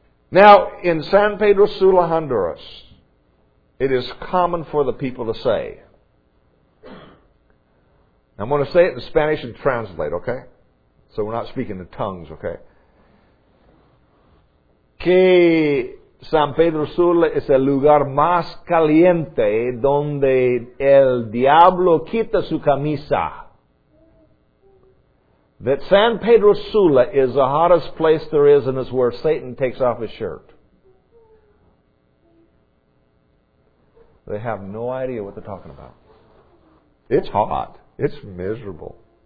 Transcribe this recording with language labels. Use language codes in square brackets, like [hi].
[en] Now, in San Pedro Sula, Honduras, it is common for the people to say, I'm going to say it in Spanish and translate, okay? So we're not speaking in tongues, okay? [es] Que San Pedro Sula es el lugar más caliente donde el diablo quita su camisa. [en] That San Pedro Sula is the hottest place there is and is where Satan takes off his shirt. They have no idea what they're talking about. It's hot. It's miserable.